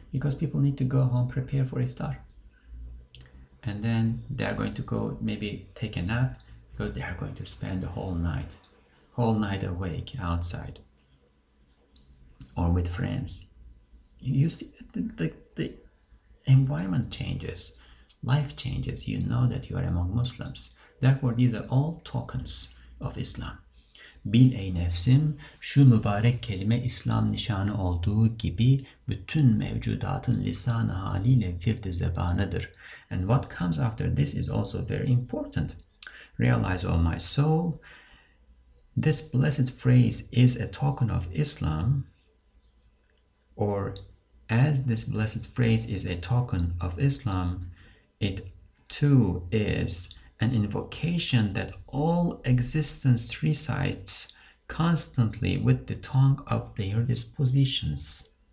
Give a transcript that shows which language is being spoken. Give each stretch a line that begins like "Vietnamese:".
English: Because people need to go home, prepare for iftar. And then they are going to go maybe take a nap, because they are going to spend the whole night awake outside or with friends. You see, the environment changes, life changes. You know that you are among Muslims. Therefore, these are all tokens of Islam.
Turkish: Bil ey nefsim, şu mübarek kelime İslam nişanı olduğu gibi bütün mevcudatın lisan haliyle firdi zebanıdır.
English: And what comes after this is also very important. Realize, O my soul, this blessed phrase is a token of Islam, or as this blessed phrase is a token of Islam, it too is an invocation that all existence recites constantly with the tongue of their dispositions.